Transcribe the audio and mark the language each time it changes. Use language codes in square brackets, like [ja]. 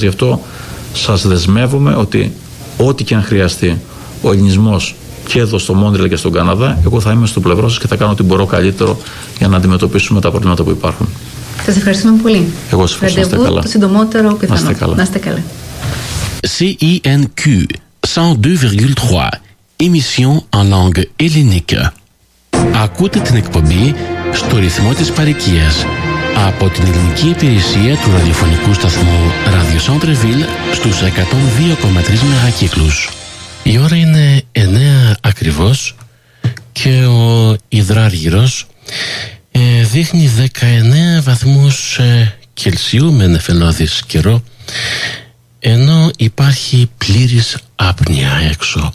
[el] Γι' αυτό σας δεσμεύομαι ότι ό,τι και αν χρειαστεί ο Ελληνισμός και εδώ στο Μόντρεαλ και στον Καναδά, εγώ θα είμαι στο πλευρό σας και θα κάνω ό,τι μπορώ καλύτερο για να αντιμετωπίσουμε τα προβλήματα που υπάρχουν. Σας ευχαριστούμε πολύ. Εγώ σας ευχαριστώ. Ραντεβού το συντομότερο πιθανό. Να είστε καλά. Να είστε καλά. [fr] CINQ 102,3 Émission en langue hellénique. [el] Ακούτε την εκπομπή στο ρυθμό της παροικίας από την ελληνική υπηρεσία του ραδιοφωνικού σταθμού Radio Centreville στους 102,3 μεγακύκλους. Η ώρα είναι 9 ακριβώς και ο υδράργυρος δείχνει 19 βαθμούς Κελσίου με νεφελώδης καιρό, ενώ υπάρχει πλήρης άπνοια έξω.